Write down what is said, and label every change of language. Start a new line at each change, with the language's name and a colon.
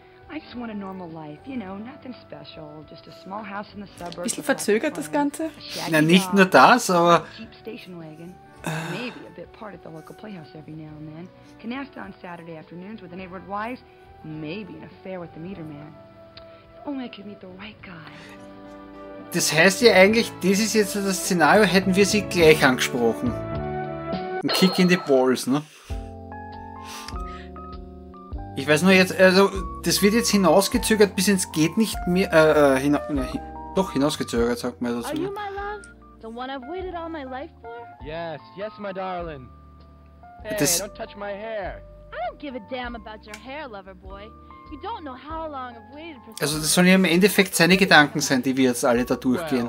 English: I just want a normal life, you know, nothing special, just a small house in the suburbs.
German: Ein bisschen verzögert das Ganze. Na, nicht nur das, aber...
English: Cheap station wagon, maybe a bit part at the local playhouse every now and then. Canasta on Saturday afternoons with the neighborhood wives, maybe an affair with the meter man. If only I could meet the right guy.
German: Das heißt ja eigentlich, das ist jetzt das Szenario, hätten wir sie gleich angesprochen. Ein Kick in die Balls, ne? Ich weiß nur jetzt, also das wird jetzt hinausgezögert, bis ins geht nicht mehr. Doch hinausgezögert, sagt man das so.
English: Are you my love? The one I've waited all my life for? Yes, yes, my darling. Hey, das, don't touch my hair. I don't give a damn about your hair, lover boy. You don't know how long I've waited for.
German: Also das sollen ja im Endeffekt seine Gedanken sein, die wir jetzt alle da durchgehen.